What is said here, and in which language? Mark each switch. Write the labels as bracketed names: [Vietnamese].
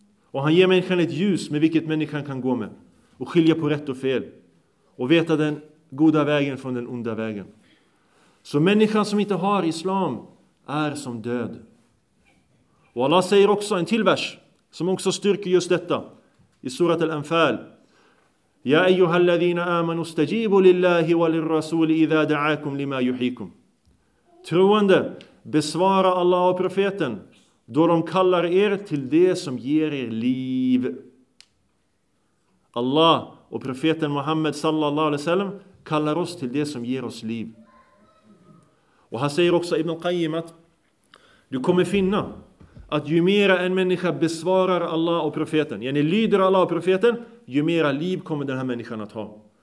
[Swedish] Och han ger människan ett ljus med vilket människan kan gå med. Och skilja på rätt och fel. Och veta den goda vägen från den onda vägen. Så människan som inte har islam är som död. Och Allah säger också en till vers som också styrker just detta. I surat Al-Anfal: [Arabic] يا أيها الذين آمنوا استجيبوا لله وللرسول إذا دعاكم لما يحييكم. [Swedish] Troende, besvara Allah och profeten då de kallar er till det som ger er liv. Allah och profeten Muhammad sallallahu alaihi wasallam kallar oss till det som ger oss liv. Och han säger också Ibn Qayyim att du kommer finna att ju mer en människa besvarar Allah och profeten, yani lyder Allah och profeten, ju mer liv kommer den här människan att ha.